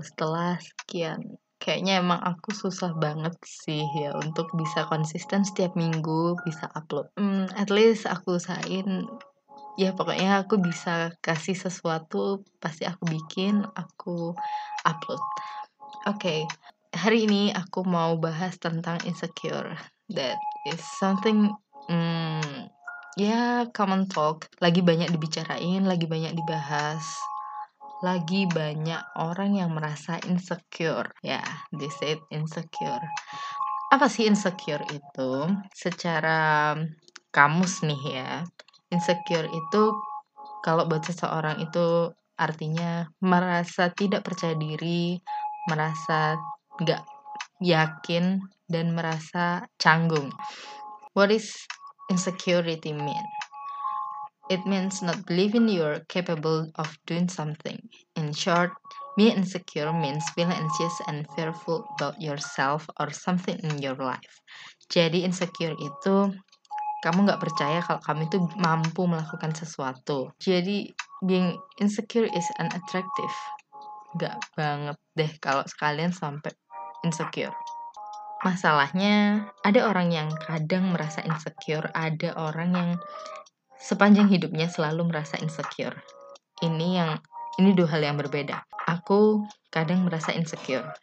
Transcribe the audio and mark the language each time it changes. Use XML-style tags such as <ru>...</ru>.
<id>Setelah sekian, kayaknya emang aku susah banget sih ya untuk bisa konsisten setiap minggu bisa upload.</id> <en>At least</en> <id>aku usahain. Ya pokoknya aku bisa kasih sesuatu, pasti aku bikin, aku upload. Oke. Hari ini aku mau bahas tentang insecure.</id> <en>That is something ya, common talk.</en> <id>Lagi banyak dibicarain, lagi banyak dibahas. Lagi banyak orang yang merasa insecure. Ya,</id> <en>they said</en> <id>insecure. Apa sih insecure itu? Secara kamus nih ya. Insecure itu, kalau buat seseorang itu artinya merasa tidak percaya diri, merasa gak yakin, dan merasa canggung.</id> <en>What is insecurity mean? It means not believing you're capable of doing something. In short, being insecure means feeling anxious and fearful about yourself or something in your life.</en> <id>Jadi insecure itu kamu gak percaya kalau kamu itu mampu melakukan sesuatu.</id> <en>Jadi being insecure is unattractive.</en> <id>Gak banget deh kalau sekalian sampai insecure. Masalahnya, ada orang yang kadang merasa insecure, ada orang yang sepanjang hidupnya selalu merasa insecure. Ini dua hal yang berbeda. Aku kadang merasa insecure.</id>